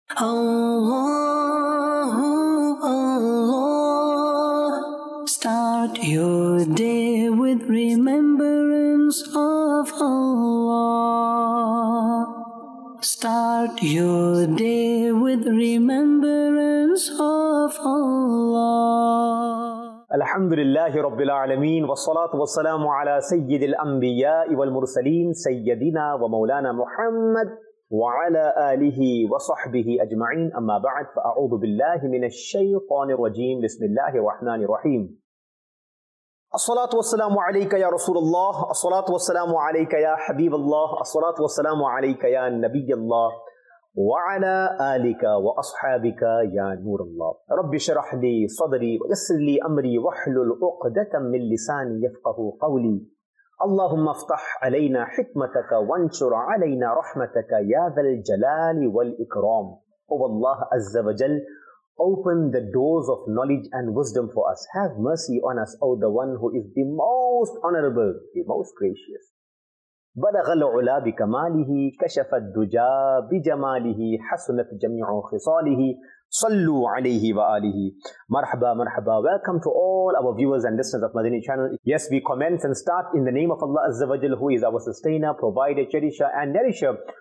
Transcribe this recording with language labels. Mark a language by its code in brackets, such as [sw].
[en] Allah, Allah, start your day with remembrance of Allah. Start your day with remembrance of Allah. [ar] الحمد لله رب العالمين والصلاة والسلام على سيد الأنبياء والمرسلين سيدنا ومولانا محمد وعلى آله وصحبه أجمعين أما بعد فأعوذ بالله من الشيطان الرجيم بسم الله الرحمن الرحيم الصلاة والسلام عليك يا رسول الله الصلاة والسلام عليك يا حبيب الله الصلاة والسلام عليك يا نبي الله وعلى آلك وأصحابك يا نور الله رب اشرح لي صدري ويسر لي أمري واحلل عقدة من لساني يفقه قولي اللهم افتح علينا حكمتك وانشر علينا رحمتك يا ذا الجلال والإكرام هو الله عز وجل [en] Open the doors of knowledge and wisdom for us. Have mercy on us, O the one who is the most honorable, the most gracious. [ar] بَلَغَ الْعُلَى بِكَمَالِهِ كَشَفَ الدُّجَى بِجَمَالِهِ حَسُنَتْ جَمِيعُ خِصَالِهِ صَلُّوا عَلَيْهِ وَآلِهِ مَرْحَبًا مَرْحَبًا. [en] Welcome to all our viewers and listeners of Madani Channel. Yes, we commence and start in the name of Allah Azza wa Jal, who is our sustainer, provider, cherisher and nourisher.